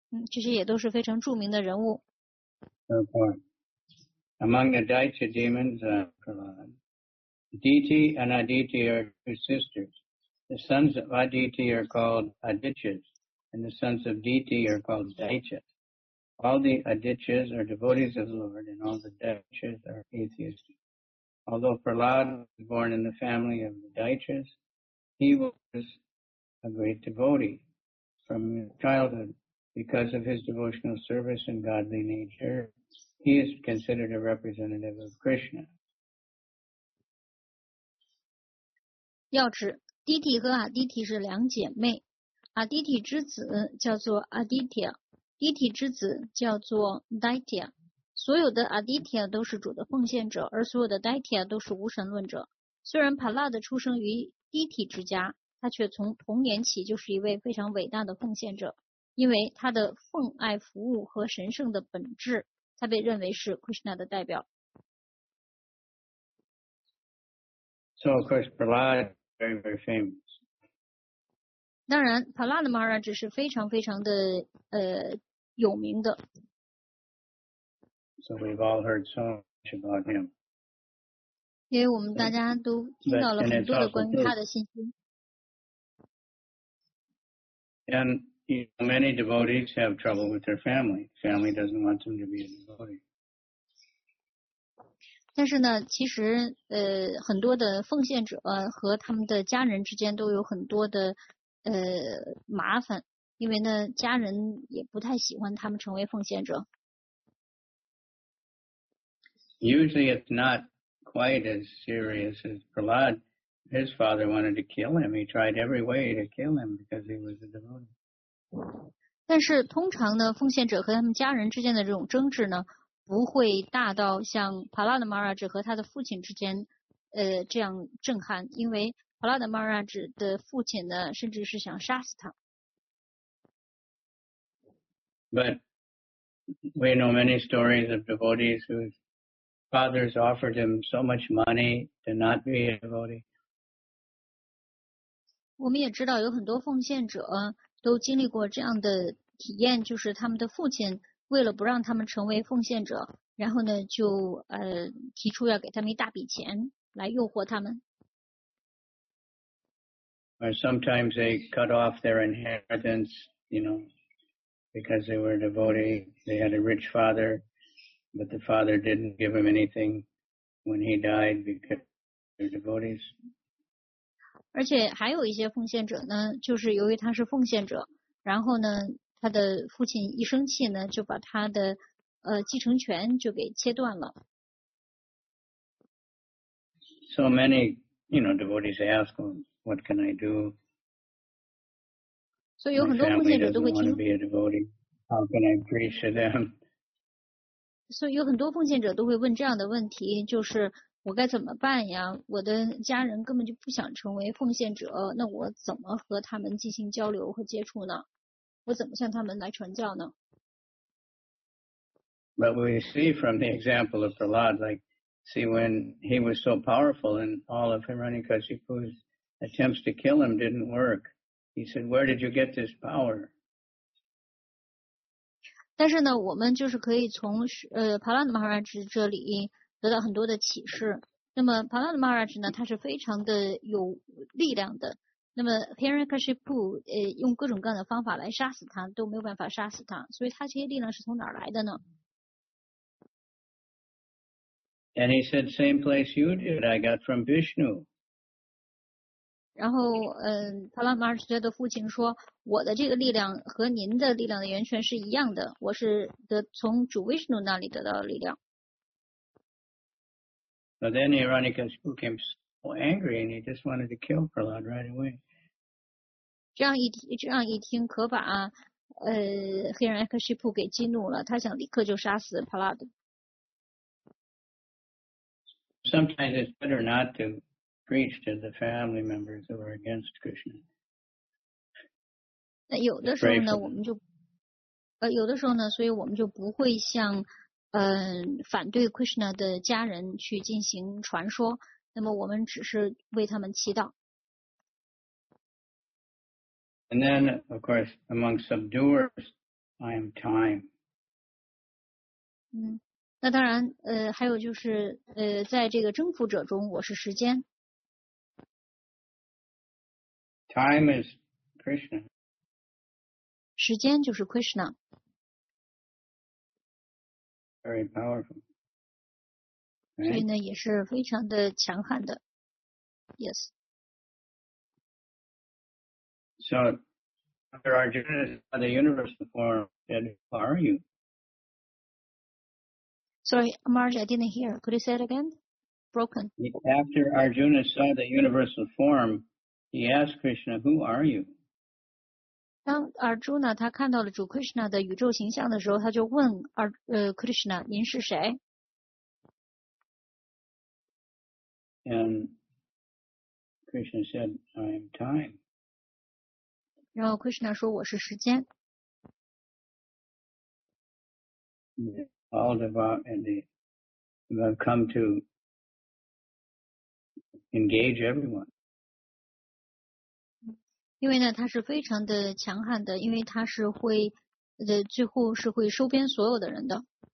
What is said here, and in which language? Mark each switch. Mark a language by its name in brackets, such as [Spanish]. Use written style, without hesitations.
[Chinese] 这些也都是非常著名的人物。 [English] Among the Daitya demons are Pralad. Diti and Aditi are two sistersThe sons of Aditi are called Adityas, and the sons of Diti are called Daityas. All the Adityas are devotees of the Lord, and all the Daityas are atheists. Although Pralad was born in the family of the Daityas, he was a great devotee from his childhood. Because of his devotional service and godly nature, he is considered a representative of Krishna. [Chinese] 要知阿迪提和阿迪提是两姐妹，阿迪提之子叫做阿迪提，阿迪提之子叫做戴提。所有的阿迪提都是主的奉献者，而所有的戴提都是无神论者。虽然帕拉德出生于迪提之家，他却从童年起就是一位非常伟大的奉献者，因为他的奉爱服务和神圣的本质，他被认为是 Krishna 的代表。 [English] So of course, Pralad. Very, very famous. [Chinese] 当然 ，Pralad Maharaj 是非常非常的有名的。 [English] So we've all heard so much about him. [Chinese] 因为我们大家都听到了很多的关于他的信息。 [English] And you know, many devotees have trouble with their family. Family doesn't want them to be a devotee. [Chinese] 但是呢，其实很多的奉献者和他们的家人之间都有很多的麻烦，因为呢，家人也不太喜欢他们成为奉献者， [English] usually it's not quite as serious as Prahlad. His father wanted to kill him. He tried every way to kill him because he was a devotee. [Chinese] 但是通常呢，奉献者和他们家人之间的这种争执呢，不会大到像帕拉德玛拉智和他的父亲之间，这样震撼。因为帕拉德玛拉智的父亲呢，甚至是想杀死他。 [English] But we know many stories of devotees whose fathers offered him so much money to not be a devotee. [Chinese] 我们也知道有很多奉献者。都经历过这样的体验，就是他们的父亲为了不让他们成为奉献者，然后呢就提出要给他们一大笔钱来诱惑他们。 [English] Or sometimes they cut off their inheritance, you know, because they were a devotee. They had a rich father, but the father didn't give him anything when he died because they're devotees. [Chinese] 而且还有一些奉献者呢，就是由于他是奉献者，然后呢，他的父亲一生气呢，就把他的继承权就给切断了。 [English] So many, you know, devotees ask, "What can I do?" So [Chinese] 有很多奉献者都会听。 [English] My family doesn't want to be a devotee. How can I preach to them? So [Chinese] 有很多奉献者都会问这样的问题，就是。我该怎么办呀？我的家人根本就不想成为奉献者，那我怎么和他们进行交流和接触呢？我怎么向他们来传教呢？ [English] But we see from the example of Prahlad, like, see when he was so powerful and all of Hiranyakashipu's attempts to kill him didn't work. He said, "Where did you get this power?" [Chinese] 但是呢，我们就是可以从帕拉德玛哈拉智这里。得到很多的启示。那么 Prahlad Maharaj 呢，他是非常的有力量的。那么 Hiranyakashipu 用各种各样的方法来杀死他，都没有办法杀死他。所以他这些力量是从哪儿来的呢？ [English] And he said, "Same place you did. I got from Vishnu." [Chinese] 然后Prahlad Maharaj 的父亲说，我的这个力量和您的力量的源泉是一样的，我是从主 Vishnu 那里得到的力量。 [English] But then Hiranyakashipu became so angry and he just wanted to kill Prahlad right away. [Chinese] 这样一听可把Hiranyakashipu 给激怒了，他想立刻就杀死 Prahlad。 [English] Sometimes it's better not to preach to the family members who are against Krishna. [Chinese] 那有的时候呢，我们就有的时候呢，所以我们就不会像。反对 Krishna 的家人去进行传说，那么我们只是为他们祈祷。 [English] And then, of course, among subduers, I am time. [Chinese] 那当然，还有就是，在这个征服者中，我是时间。 [English] Time is Krishna. [Chinese] 时间就是 Krishna. [English] Very powerful. Right? [Chinese] 所以呢，也是非常的强悍的。 [English] Yes. So, after Arjuna is in the universal form, said, "Who are you?" Sorry, Marj, I didn't hear. Could you say it again? Broken. After Arjuna saw the universal form, he asked Krishna, "Who are you?" [Chinese] 当 Arjuna 他看到了主 Krishna 的宇宙形象的时候，他就问Krishna， 您是谁？ [English] And Krishna said, "I am time." [Chinese] 然后 Krishna 说我是时间。 [English] All devout and they have come to engage everyone. [Chinese] 因为呢，他是非常的强悍的，因为他是会，最后是会收编所有的人的。